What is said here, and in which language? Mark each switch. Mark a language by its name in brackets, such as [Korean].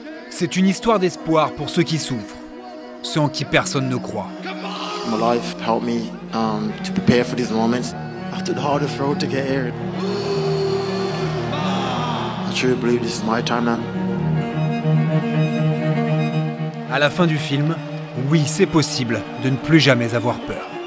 [French] C'est une histoire d'espoir pour ceux qui souffrent, ceux en qui personne ne croit. [English] My life helped me to prepare for these moments. I took the hardest road to get here. I truly believe this is my time now. [French] À la fin du film, oui, c'est possible de ne plus jamais avoir peur.